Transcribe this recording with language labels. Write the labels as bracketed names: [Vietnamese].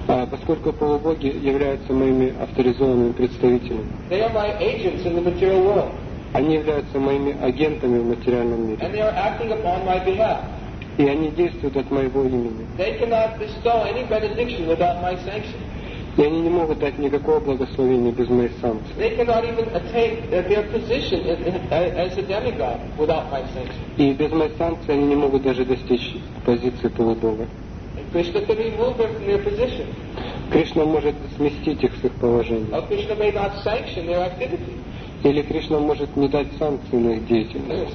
[Russian] Поскольку полубоги являются моими авторизованными представителями. [English] They are my agents in the material world. [Russian] Они являются моими агентами в материальном мире. [English] And they are acting upon my behalf. [Russian] И они действуют от моего имени. [English] They cannot bestow any benediction without my sanction. [Russian] И они не могут дать никакого благословения без моей санкции. [English] They cannot even attain their position as a demigod without my sanction. [Russian] И без моей санкции они не могут даже достичь позиции полубога. [English] Krishna can remove them from their position. [Russian] Кришна может сместить их с их положения. [English] Or Krishna may not sanction their activity. [Russian] Или Кришна может не дать санкции на их деятельность.